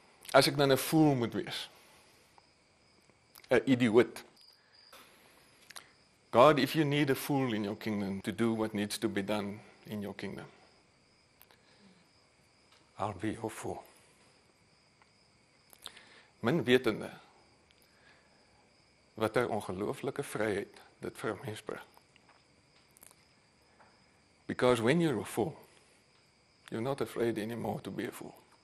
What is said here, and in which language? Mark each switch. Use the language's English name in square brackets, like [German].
[Afrikaans] As ek dan een fool moet wees, een idioot, [English] God, if you need a fool in your kingdom to do what needs to be done in your kingdom, I'll be your fool. [Afrikaans] Min wetende, wat er ongelooflike vryheid dit vir mens bring. [English] Because when you're a fool, you're not afraid anymore to be a fool.